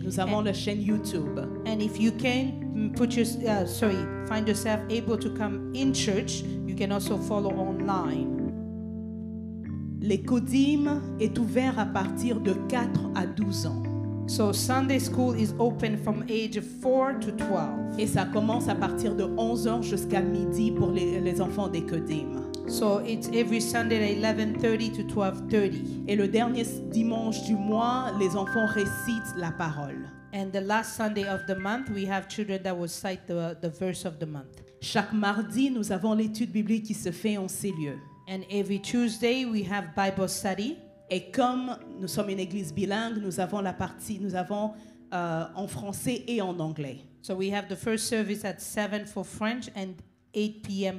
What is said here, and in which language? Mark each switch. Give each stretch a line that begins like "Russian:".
French: Nous avons la chaîne YouTube.
English: And if you can put your find yourself able to come in church, you can also follow online.
French: Les Kodim est ouvert à partir de 4 à 12 ans.
English: So Sunday school is open from age 4 to 12.
French: Et ça commence à partir de 11h jusqu'à midi pour les enfants des Kodim.
English: So it's every Sunday at 11:30 to 12:30.
French: Et le dernier dimanche du mois, les enfants récitent la parole.
English: And the last Sunday of the month, we have children that will cite the verse of the month.
French: Chaque mardi, nous avons l'étude biblique qui se fait en ces lieux.
English: And every Tuesday we have Bible study.
French: Et comme nous sommes une église bilingue, nous avons la partie, nous avons en français et en anglais.
English: So we have the first service at 7 for French and 8 p.m.